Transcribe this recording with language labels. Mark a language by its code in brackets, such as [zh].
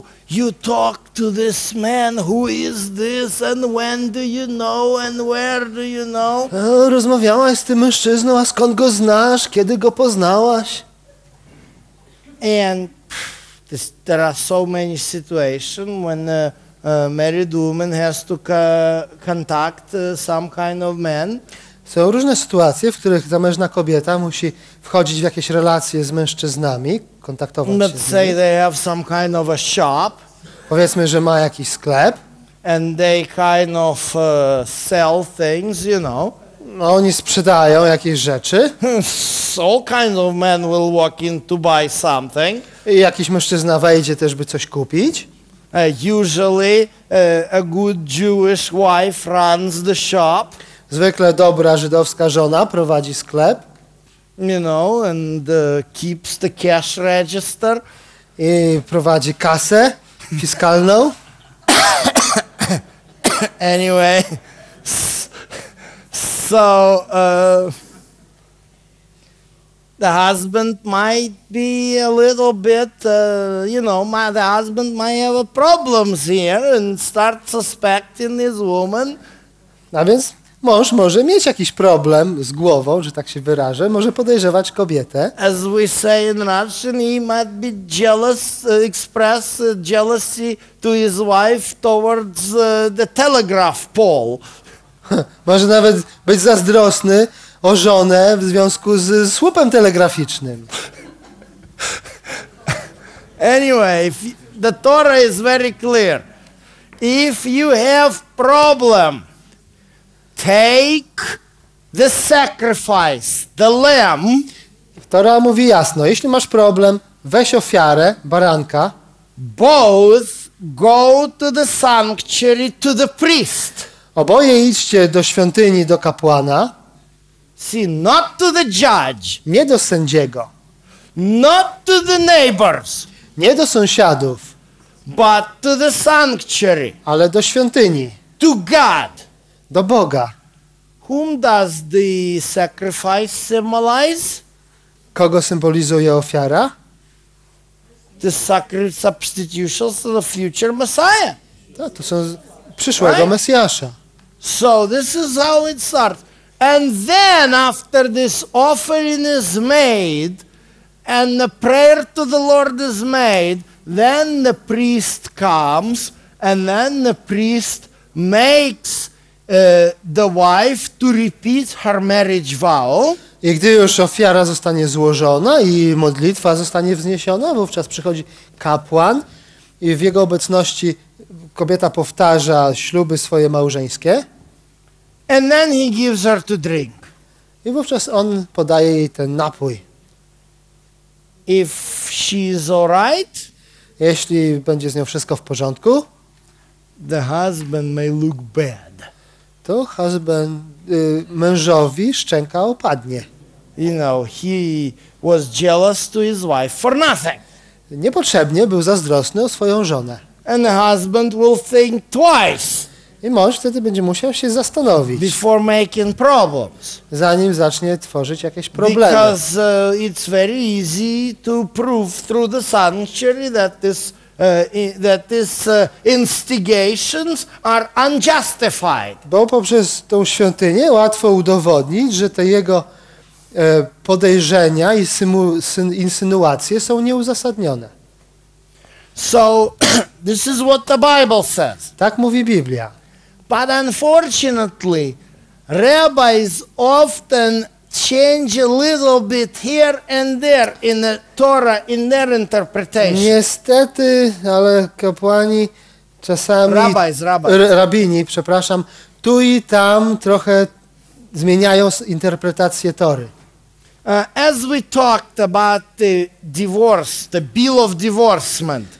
[en] You talk to this man, who is this, and when do you know, and where do you know? [pl] Rozmawiałaś z tym mężczyzną, a skąd go znasz, kiedy go poznałaś? [en] And there are so many situations when a married woman has to contact some kind of man. [pl] Są różne sytuacje, w których zamężna kobieta musi wchodzić w jakieś relacje z mężczyznami, kontaktować się z nimi. [en] They have some kind of a shop. [pl] Powiedzmy, że ma jakiś sklep. [en] And they kind of sell things, you know. [pl] No, oni sprzedają jakieś rzeczy. [en] So kind of man will walk in to buy something. [pl] I jakiś mężczyzna wejdzie też, by coś kupić. [en] Usually a good Jewish wife runs the shop. [pl] Zwykle dobra żydowska żona prowadzi sklep. [en] You know, and keeps the cash register. [pl] I prowadzi kasę fiskalną. [en] Anyway, so the husband might be a little bit, the husband might have problems here and start suspecting his woman. [pl] A więc mąż może mieć jakiś problem z głową, że tak się wyrażę, może podejrzewać kobietę. [en] As we say in Russian, he might be jealous, express jealousy to his wife towards the telegraph pole. [pl] Może nawet być zazdrosny o żonę w związku z słupem telegraficznym. [en] Anyway, the Torah is very clear. If you have problem, take the sacrifice, the lamb. [pl] Tora mówi jasno, jeśli masz problem, weź ofiarę, baranka. [en] Both go to the sanctuary, to the priest. [pl] Oboje idźcie do świątyni, do kapłana. [en] See, not to the judge. [pl] Nie do sędziego. [en] Not to the neighbors. [pl] Nie do sąsiadów. [en] But to the sanctuary. [pl] Ale do świątyni. [en] To God. [pl] Do Boga. [en] Whom does the sacrifice symbolize? [pl] Kogo symbolizuje ofiara? [en] The sacred substitutions of the future Messiah. [pl] To są przyszłego [en] right? [pl] Mesjasza. [en] So this is how it starts. And then after this offering is made and the prayer to the Lord is made, then the priest comes and then the priest makes the wife to repeat her marriage vow. [pl] I gdy już ofiara zostanie złożona i modlitwa zostanie wzniesiona, wówczas przychodzi kapłan i w jego obecności kobieta powtarza śluby swoje małżeńskie. [en] And then he gives her to drink. [pl] I wówczas on podaje jej ten napój. [en] If she's all right, [pl] jeśli będzie z nią wszystko w porządku, [en] the husband may look bad. To husband, [pl] mężowi szczęka opadnie. [en] You know, he was jealous to his wife for nothing. [pl] Niepotrzebnie był zazdrosny o swoją żonę. [en] And the husband will think twice. [pl] I mąż wtedy będzie musiał się zastanowić. [en] Before making problems. [pl] Zanim zacznie tworzyć jakieś problemy. [en] Because it's very easy to prove through the sanctuary that these instigations are unjustified. [pl] Bo poprzez tą świątynię łatwo udowodnić, że te jego podejrzenia i insynuacje są nieuzasadnione. [en] So this is what the Bible says. [pl] Tak mówi Biblia. [en] But unfortunately, rabbis often change a little bit here and there in the Torah, in their interpretation. [pl] Niestety, ale kapłani czasami... Rabini, tu i tam trochę zmieniają interpretację Tory. [en] As we talked about the divorce, the bill of divorcement.